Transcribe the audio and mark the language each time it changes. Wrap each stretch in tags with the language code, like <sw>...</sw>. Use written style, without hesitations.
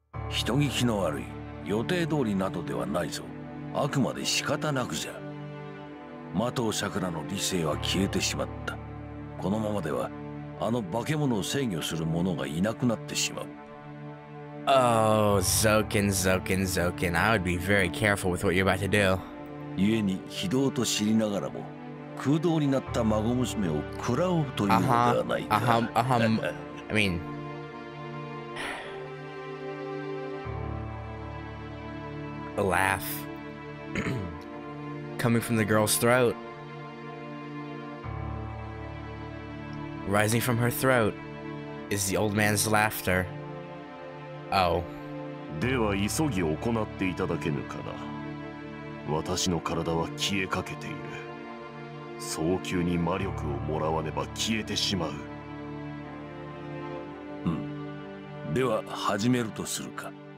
<ja>人聞きの悪い、予定通りなどではないぞ。あくまで仕方なくじゃ。マトウシャクラの理性は消えてしまった。このままでは、あの化け物を制御する者がいなくなってしまう。</ja> <en>Oh, Zoken, Zoken, Zoken. I would be very careful with what you're about to do.</en> <ja>故に非道と知りながらも、空洞になった孫娘を喰らおうというのではないか。</ja> <en>I mean, a laugh coming from the girl's throat, rising from her throat, is the old man's laughter. Oh.</en> <ja>では急ぎ行っていただけぬかな。私の体は消えかけている。早急に魔力をもらわねば消えてしまう。では始めるとするか。</ja>